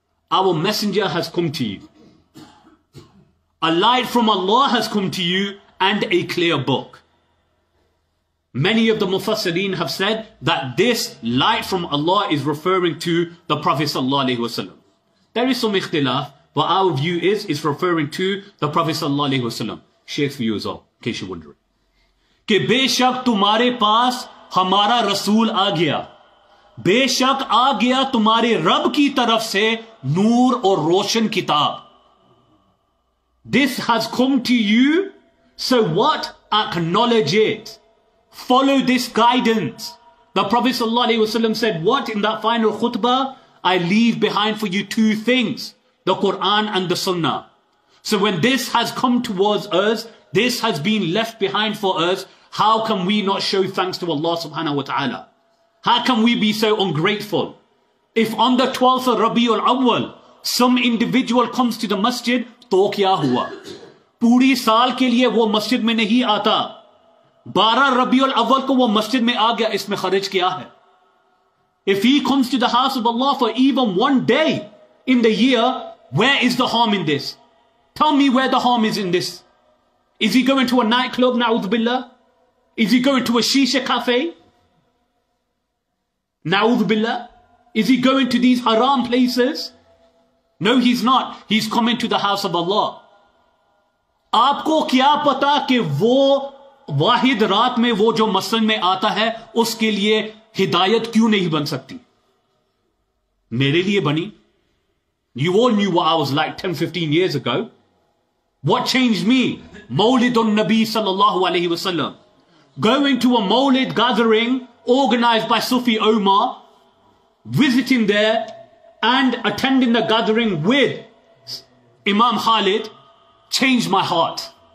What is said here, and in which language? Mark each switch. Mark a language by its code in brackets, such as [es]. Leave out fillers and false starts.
[en] Our messenger has come to you. A light from Allah has come to you and a clear book. Many of the Mufassireen have said that this light from Allah is referring to the Prophet sallallahu alayhi wasallam. There is some ikhtilaf, but our view is it's referring to the Prophet sallallahu alayhi wasallam. Shaykh's view as well, in case you're wondering. [ur] کہ بیشک تمہارے پاس ہمارا رسول آ گیا۔ بیشک آ گیا تمہارے رب کی طرف سے نور اور روشن کتاب۔ [en] This has come to you, so what? Acknowledge it. Follow this guidance. The Prophet sallallahu alaihi wasallam said what in that final khutbah? I leave behind for you two things, the Quran and the Sunnah. So when this has come towards us, this has been left behind for us, how can we not show thanks to Allah subhanahu wa ta'ala? How can we be so ungrateful? If on the 12th of Rabi'ul Awwal, some individual comes to the masjid, [ur] to kya hua? پوری سال کے لیے وہ مسجد میں نہیں آتا۔ 12 ربیع الاول کو وہ مسجد میں آ گیا، اسمیں خرچ کیا ہے؟ [en] If he comes to the house of Allah for even one day in the year, where is the harm in this? Tell me where the harm is in this. Is he going to a nightclub, na'udhu billah? Is he going to a shisha cafe, na'udhu billah? Is he going to these haram places? No, he's not. He's coming to the house of Allah. [ur] آپکو کیا پتا کے وہ واحد رات میں وہ جو مسجد میں آتا ہے اسکے لیے ہدایت کیوں نہیں بن سکتی؟ میرے لیے بنی۔ [en] You all knew what I was like 10-15 years ago. What changed me? Mawlid on Nabi sallallahu alayhi wasallam. Going to a Mawlid gathering organized by Sufi Omar, visiting there and attending the gathering with Imam Khalid changed my heart.